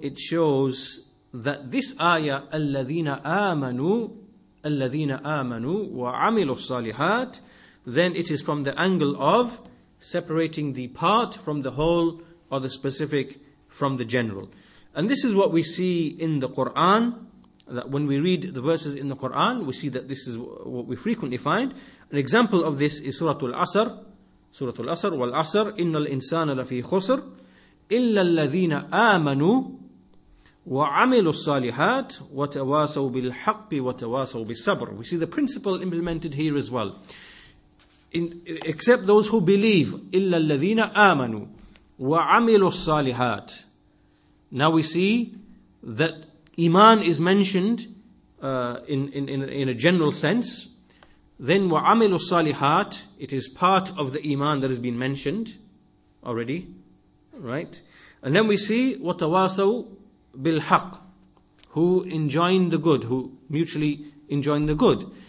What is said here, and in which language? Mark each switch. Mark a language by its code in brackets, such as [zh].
[en] It shows that this ayah, [ar] الَّذِينَ آمَنُوا وَعَمِلُوا الصَّالِحَاتِ, [en] then it is from the angle of separating the part from the whole, or the specific from the general. And this is what we see in the Quran, that when we read the verses in the Quran, we see that this is what we frequently find. An example of this is Surah Al-Asr, [ar] وَالْأَصَرْ إِنَّ الْإِنسَانَ لَفِي خُسْرِ إِلَّا الَّذِينَ آمَنُوا وَعَمِلُوا الصَّالِحَاتِ وَتَوَاسَوْا بِالْحَقِّ وَتَوَاسَوْا بِالصَّبْرِ. [en] We see the principle implemented here as well. Except those who believe, [ar] إِلَّا الَّذِينَ آمَنُوا وَعَمِلُوا الصَّالِحَاتِ. [en] Now we see that iman is mentioned in a general sense. Then [ar] وَعَمِلُوا الصَّالِحَاتِ, [en] it is part of the iman that has been mentioned already. Right? And then we see [ar] وَتَوَاسَوْا بِالْحَقِّ, [en] who enjoin the good, who mutually enjoin the good.